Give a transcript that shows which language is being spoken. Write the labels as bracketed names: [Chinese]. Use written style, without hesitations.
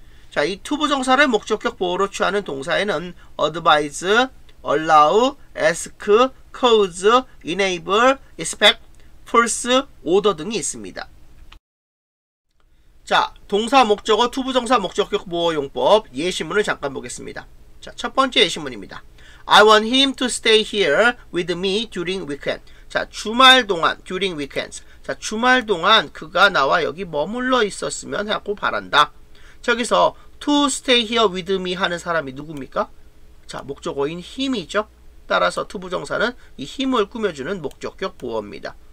[Korean] 자, 이 투부정사를 목적격 보호로 취하는 동사에는 advise, allow, ask, cause, enable, expect, force, order 등이 있습니다. 자, 동사 목적어 투부정사 목적격 보호 용법 예시문을 잠깐 보겠습니다. 자, 첫 번째 예시문입니다. [English] I want him to stay here with me during weekend. [Korean] 자, 주말 동안, [English] during weekends. [Korean] 자, 주말 동안 그가 나와 여기 머물러 있었으면 하고 바란다. 저기서 [English] to stay here with me [Korean] 하는 사람이 누굽니까? 자, 목적어인 him이죠. 따라서 투부정사는 이 him을 꾸며주는 목적격 보호입니다.